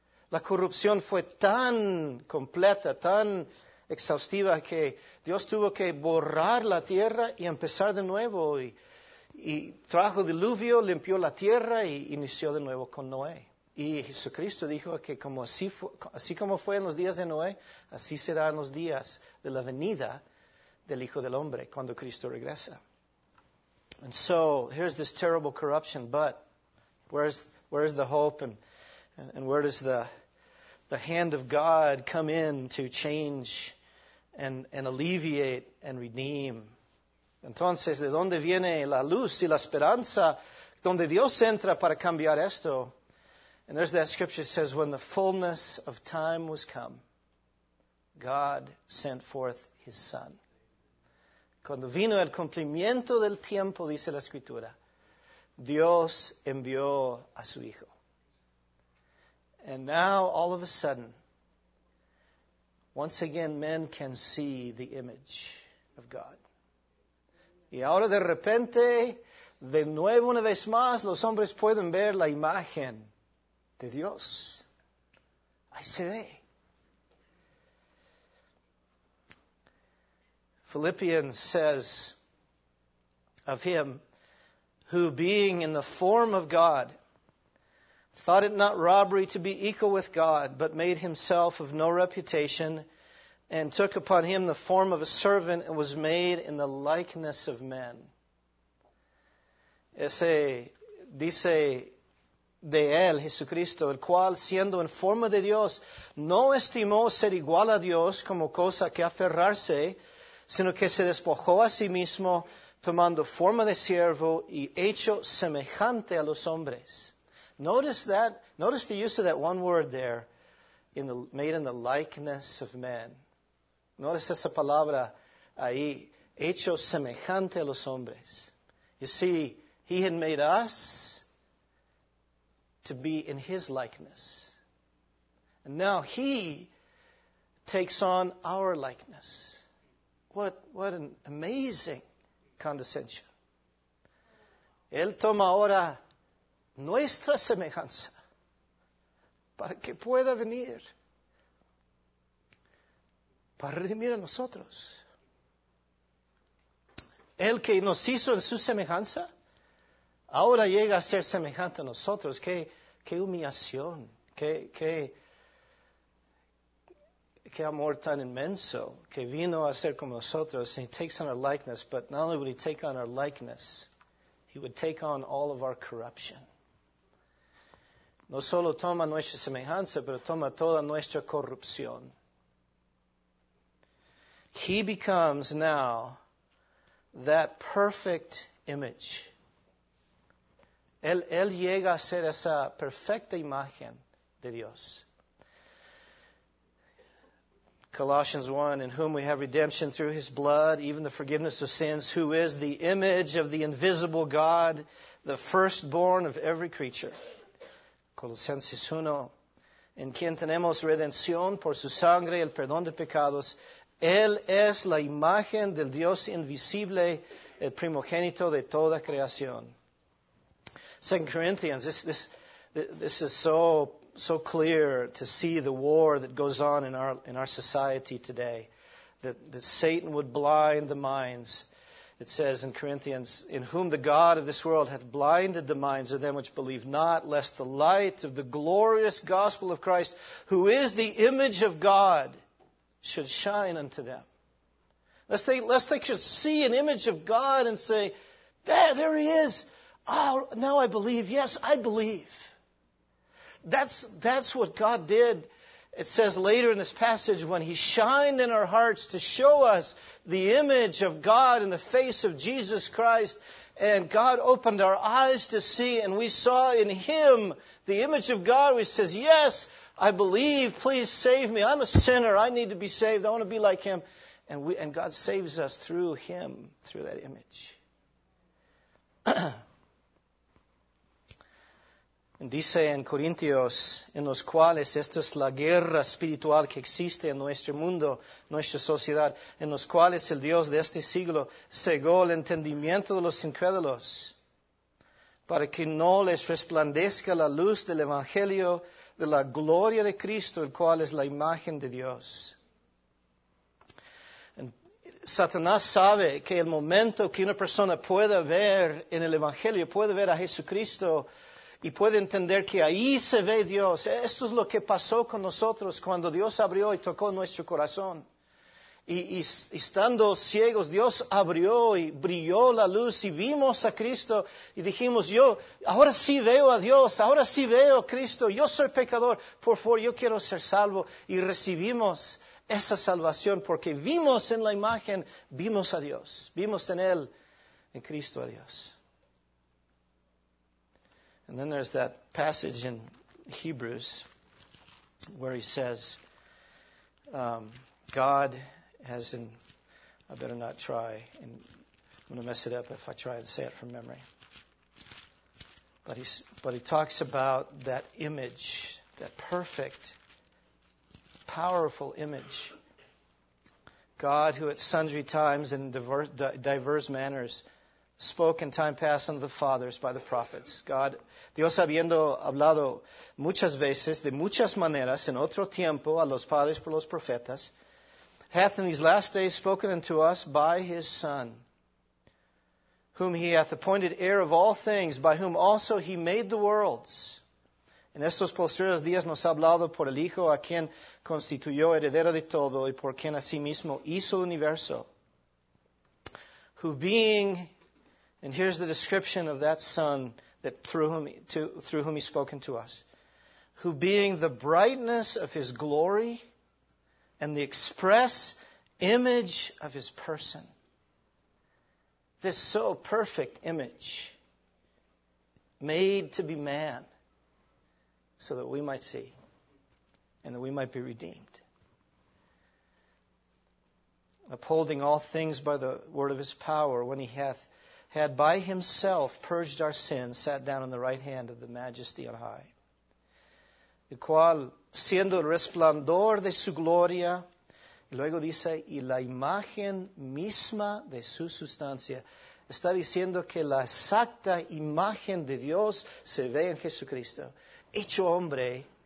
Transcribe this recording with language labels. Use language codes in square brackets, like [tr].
[es] La corrupción fue tan completa, tan exhaustiva, que Dios tuvo que borrar la tierra y empezar de nuevo. Y trajo diluvio, limpió la tierra y inició de nuevo con Noé. Y Jesucristo dijo que así como fue en los días de Noé, así será en los días de la venida del Hijo del Hombre, cuando Cristo regresa. [en] And so, here's this terrible corruption, but where's the hope, and where does the hand of God come in to change and alleviate and redeem? [es] Entonces, ¿de dónde viene la luz y la esperanza? ¿Dónde Dios entra para cambiar esto? [en] And there's that scripture that says, when the fullness of time was come, God sent forth his Son. [es] Cuando vino el cumplimiento del tiempo, dice la escritura, Dios envió a su Hijo. [en] And now, all of a sudden, Once again, men can see the image of God. [es] Y ahora de repente, de nuevo una vez más, los hombres pueden ver la imagen de Dios. Ahí se ve. [en] Philippians says of him, who being in the form of God, thought it not robbery to be equal with God, but made himself of no reputation, and took upon him the form of a servant, and was made in the likeness of men. [es] Ese dice de él, Jesucristo, el cual, siendo en forma de Dios, no estimó ser igual a Dios como cosa que aferrarse, sino que se despojó a sí mismo, tomando forma de siervo y hecho semejante a los hombres. [en] Notice that. Notice the use of that one word there, made in the likeness of men. [es] Notice esa palabra ahí, hecho semejante a los hombres. [en] You see, he had made us to be in his likeness. And now he takes on our likeness. What an amazing condescension. [es] Él toma ahora nuestra semejanza para que pueda venir para redimir a nosotros. Él que nos hizo en su semejanza, ahora llega a ser semejante a nosotros. Qué humillación, qué amor tan inmenso, que vino a ser como nosotros. [en] And he takes on our likeness, but not only would he take on our likeness, he would take on all of our corruption. [es] No solo toma nuestra semejanza, pero toma toda nuestra corrupción. [en] He becomes now that perfect image. [es] Él llega a ser esa perfecta imagen de Dios. [en] Colossians 1, in whom we have redemption through his blood, even the forgiveness of sins, who is the image of the invisible God, the firstborn of every creature. [es] Colosenses 1, en quien tenemos redención por su sangre, el perdón de pecados. Él es la imagen del Dios invisible, el primogénito de toda creación. [en] 2 Corinthians, this is so clear to see the war that goes on in our society today, that Satan would blind the minds. It says in Corinthians, in whom the God of this world hath blinded the minds of them which believe not, lest the light of the glorious gospel of Christ, who is the image of God, should shine unto them. Lest they should see an image of God and say, there he is. Oh, now I believe. Yes, I believe. That's what God did. It says later in this passage, when he shined in our hearts to show us the image of God in the face of Jesus Christ, and God opened our eyes to see, and we saw in him the image of God. He says, yes, I believe, please save me. I'm a sinner. I need to be saved. I want to be like him. And God saves us through him, through that image. [es] Dice en Corintios, en los cuales, esta es la guerra espiritual que existe en nuestro mundo, nuestra sociedad, en los cuales el Dios de este siglo cegó el entendimiento de los incrédulos, para que no les resplandezca la luz del Evangelio de la gloria de Cristo, el cual es la imagen de Dios. Satanás sabe que el momento que una persona pueda ver en el Evangelio, puede ver a Jesucristo, y puede entender que ahí se ve Dios. Esto es lo que pasó con nosotros cuando Dios abrió y tocó nuestro corazón. Y estando ciegos, Dios abrió y brilló la luz y vimos a Cristo. Y dijimos, yo ahora sí veo a Dios, ahora sí veo a Cristo. Yo soy pecador, por favor, yo quiero ser salvo. Y recibimos esa salvación porque vimos en la imagen, vimos a Dios. Vimos en Él, en Cristo a Dios. [en] And then there's that passage in Hebrews where he says, God has in, I better not try, and I'm going to mess it up if I try and say it from memory. But he talks about that image, that perfect, powerful image. God, who at sundry times and diverse manners spoke in time past unto the fathers by the prophets. God, [es] Dios habiendo hablado muchas veces, de muchas maneras, en otro tiempo a los padres por los profetas, [en] hath in these last days spoken unto us by his Son, whom he hath appointed heir of all things, by whom also he made the worlds. [es] En estos posteriores días nos ha hablado por el Hijo, a quien constituyó heredero de todo, y por quien asimismo hizo el universo. [en] Who being, and here's the description of that Son that through whom he spoke unto us, who being the brightness of his glory and the express image of his person. This so perfect image, made to be man, so that we might see and that we might be redeemed. Upholding all things by the word of his power, when he had by himself purged our sins, sat down on the right hand of the majesty on high. [es] El cual, siendo el resplandor de su gloria, y luego dice, y la imagen misma de su sustancia, está diciendo que la exacta imagen de Dios se ve en Jesucristo, hecho hombre,